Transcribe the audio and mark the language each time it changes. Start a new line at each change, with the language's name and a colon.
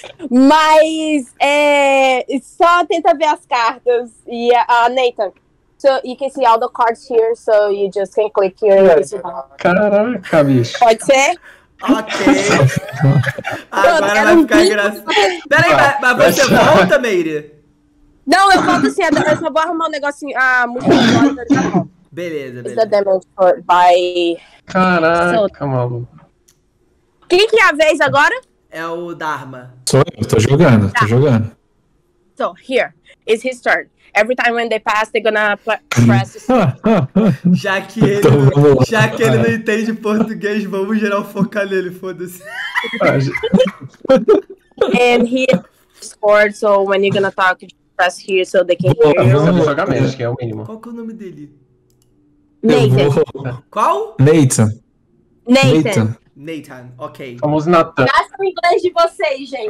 Portuguese: mas só tenta ver as cartas. E a Nathan.
English: you can see all the cards here, so you just can click here.
Portuguese: Caraca, bicho. Pode ser? Ok. Agora vai ficar engraçado. Pera aí, mas você volta, Meire? Não, eu volto assim, eu só vou arrumar um negocinho. Ah, muito bom. Beleza.
English: The demo for, by...
Portuguese: Caraca, maluco. Quem que é a vez agora? É o Dharma. Sou eu, tô jogando, tá.
English: So, here, it's his turn. Every time when they pass, they're gonna press.
Portuguese: Já que ele, então, já que ele não entende português, vamos geral focar nele, foda-se.
English: And he scored, so when you're gonna talk, you press here so they can hear
Portuguese: you. Vamos jogar mesmo, que é o mínimo. Qual que é o nome dele? Nathan. Qual? Nathan. Nathan. Nathan, ok. Vamos Nathan. Nasce o inglês de vocês, gente,